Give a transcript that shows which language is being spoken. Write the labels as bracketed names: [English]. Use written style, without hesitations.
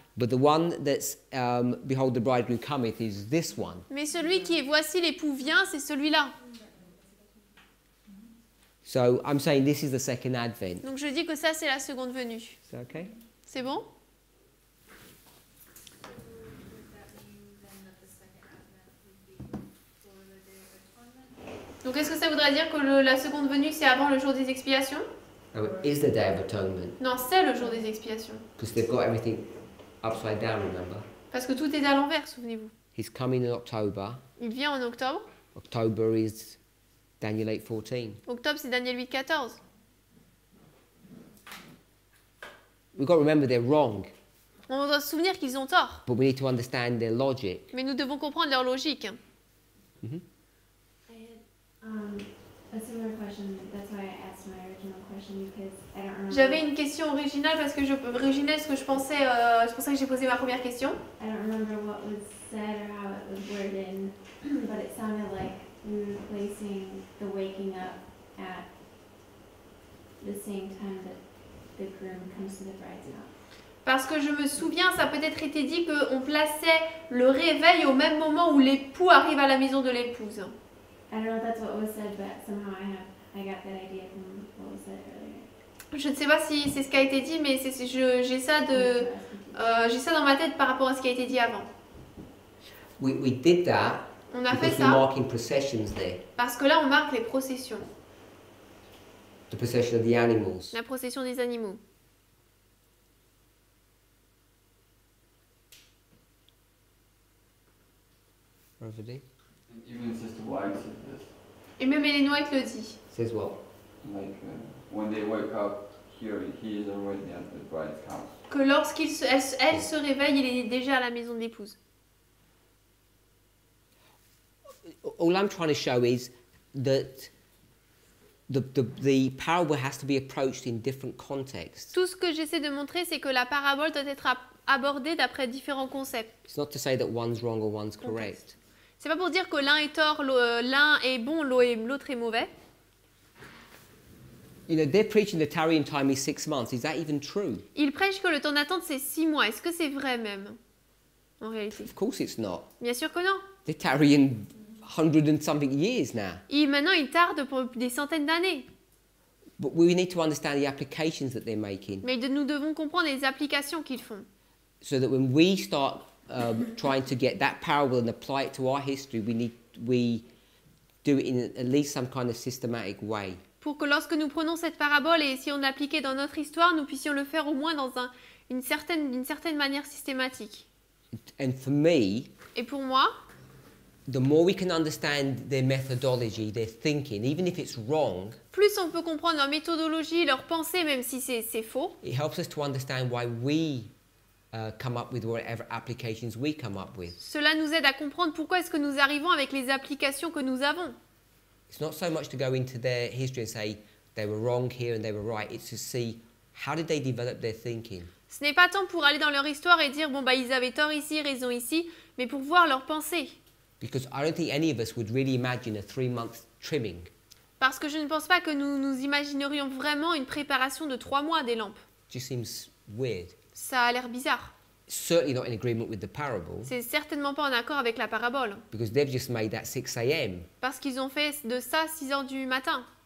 [English] But the one that's behold the bridegroom cometh is this one. [French] Mais celui qui est voici l'époux vient, c'est celui-là. [English] So I'm saying this is the second advent. [French] Donc je dis que ça c'est la seconde venue. [English] Is that okay? [French] C'est bon? Donc, est-ce que ça voudrait dire que la seconde venue, c'est avant le jour des expiations? [English] Oh, is the day of atonement. [French] Non, c'est le jour des expiations. [English] Because they've got everything upside down, remember? [French] Parce que tout est à l'envers, souvenez-vous. [English] He's coming in October. [French] Il vient en octobre. [English] October is Daniel 8:14. [French] Octobre, c'est Daniel 8:14. [English] We've got to remember they're wrong. [French] On doit se souvenir qu'ils ont tort. [English] But we need to understand their logic. [French] Mais nous devons comprendre leur logique. [English] A similar question. That's why I asked my original question because I don't remember. [French] J'avais une question originale parce que c'est pour ça que j'ai posé ma première question. [English] I don't remember what was said or how it was worded, but it sounded like we were placing the waking up at the same time that the groom comes to the bride's house. [French] Parce que je me souviens, ça a peut-être été dit que on plaçait le réveil au même moment où l'époux arrive à la maison de l'épouse. [English] I don't know if that's what was said, but somehow I got that idea from what was said earlier. [French] Je ne sais pas si c'est ce qui a été dit, mais j'ai ça dans ma tête par rapport à ce qui a été dit avant. [English] We did that. [French] On a fait ça. [English] Because we're marking processions there. [French] Parce que là, on marque les processions. [English] The procession of the animals. [French] La procession des animaux. Reverdy. [English] Even Sister White said this. [French] Et même Ellen White le dit. [English] Says what? Like when they wake up here, he is already at the bride's house. [French] Que lorsqu'il elle se réveille, il est déjà à la maison de l'épouse. [English] All I'm trying to show is that the parable has to be approached in different contexts. [French] Tout ce que j'essaie de montrer, c'est que la parabole doit être abordée d'après différents concepts. [English] It's not to say that one's wrong or one's correct. [French] C'est pas pour dire que l'un est tort, l'un est bon, l'autre est mauvais. [English] You know, they're preaching the tarrying time is 6 months. Is that even true? [French] Ils prêchent que le temps d'attente c'est 6 mois. Est-ce que c'est vrai même, en réalité? [English] Of course it's not. [French] Bien sûr que non. [English] They're tarrying 100 and something years now. [French] Et maintenant ils tardent pour des centaines d'années. [English] But we need to understand the applications that they're making. [French] Mais nous devons comprendre les applications qu'ils font. [English] So that when we start trying to get that parable and apply it to our history, we do it in at least some kind of systematic way. [French] Pour que lorsque nous prenons cette parabole et essayons de l'appliquer dans notre histoire, nous puissions le faire au moins dans une certaine manière systématique. [English] And for me, [French] et pour moi, [English] the more we can understand their methodology, their thinking, even if it's wrong, [French] plus on peut comprendre leur méthodologie, leur pensée, même si c'est faux, [English] it helps us to understand why we come up with whatever applications we come up with. [French] Cela nous aide à comprendre pourquoi est-ce que nous arrivons avec les applications que nous avons. [English] It's not so much to go into their history and say they were wrong here and they were right. It's to see how did they develop their thinking. [French] Ce n'est pas tant pour aller dans leur histoire et dire ils avaient tort ici, raison ici, mais pour voir leur pensée. [English] Because I don't think any of us would really imagine a 3 month trimming. [French] Parce que je ne pense pas que nous imaginerions vraiment une préparation de 3 mois des lampes. [English] It just seems weird. [French] Ça a l'air bizarre. [English] Certainly not in agreement with the parable. [French] C'est certainement pas en accord avec la parabole. [English] Because they've just made that 6 a.m. [French] Parce qu'ils ont fait de ça 6 heures du matin.